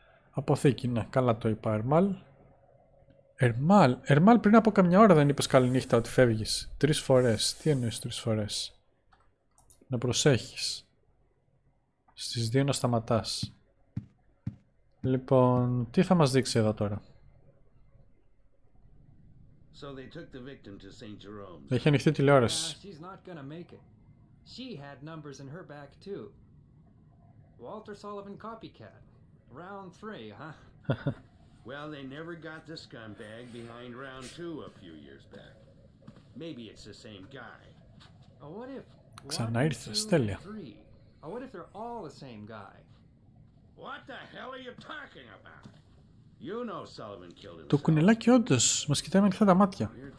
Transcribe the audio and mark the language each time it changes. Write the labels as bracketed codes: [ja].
[el] Αποθήκη, ναι, καλά το είπα. Ερμάλ, πριν από καμιά ώρα δεν είπες καληνύχτα ότι φεύγεις. Τρεις φορές. Τι εννοείς τρεις φορές? Να προσέχεις. Στις δύο να σταματάς. Λοιπόν, τι θα μας δείξει εδώ τώρα? [en] So they took the victim to Saint Jerome. [el] Έχει ανοιχτή τηλεόραση. [en] She's not gonna make it. She had numbers in her back too. Walter Sullivan copycat. Round three, huh? Well, they never got the scumbag behind round two a few years back. Maybe it's the same guy. Oh, what if one, two, three? Oh, what if they're all the same guy? What the hell are you talking about? You know Sullivan killed himself. [el] Το κουνελάκι όντως μας κοιτάει με ανοιχτά τα μάτια.